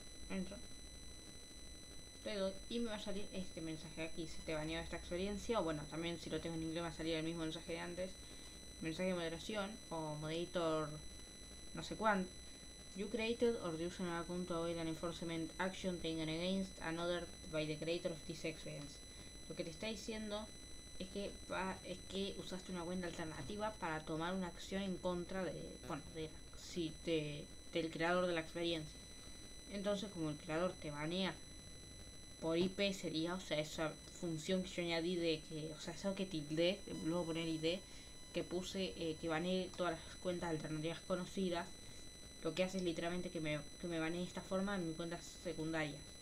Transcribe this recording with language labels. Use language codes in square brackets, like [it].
[es] Entro. Le doy y me va a salir este mensaje aquí. Si te baneó esta experiencia, o bueno, también si lo tengo en inglés, va a salir el mismo mensaje de antes. Mensaje de moderación o moderator no sé cuánto. [en] You created or used an account to avoid an enforcement action taken against another by the creator of this experience. [es] Lo que te está diciendo es que es que usaste una cuenta alternativa para tomar una acción en contra de, bueno, de la si te del creador de la experiencia. Entonces, como el creador te banea por IP, sería, o sea, esa función que yo añadí de que, o sea, eso que tildé, luego poner ID, que puse que baneé todas las cuentas alternativas conocidas, lo que hace es literalmente que me banee de esta forma en mis cuentas secundarias.